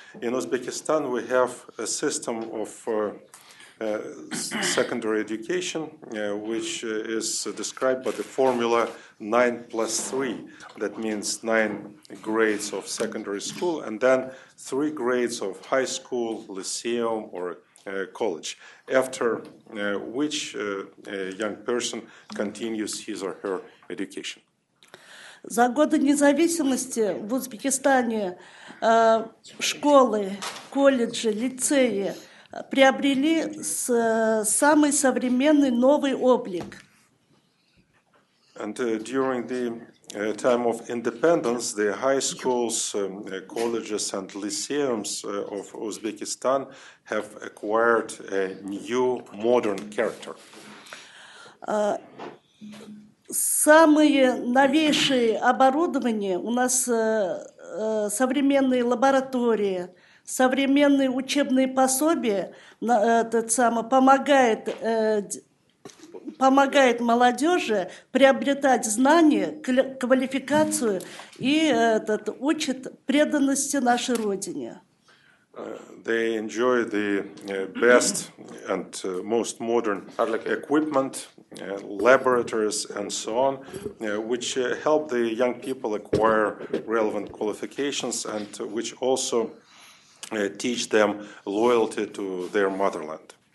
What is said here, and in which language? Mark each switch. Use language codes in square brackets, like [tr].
[en] In Uzbekistan, we have a system of secondary education, which is described by the formula 9 plus 3. That means 9 grades of secondary school and then 3 grades of high school, lyceum, or college, after which a young person continues his or her education. [ru] За годы независимости в Узбекистане школы, колледжи, лицеи приобрели самый современный новый облик. [en] And during the time of independence, the high schools, colleges and lyceums of Uzbekistan have acquired a new modern character. [ru] Самые новейшие оборудования у нас современные лаборатории, современные учебные пособия помогают помогает молодежи приобретать знания, квалификацию и учит преданности нашей Родине. [en] They enjoy the best and most modern equipment, laboratories and so on, which help the young people acquire relevant qualifications and which also teach them loyalty to their motherland.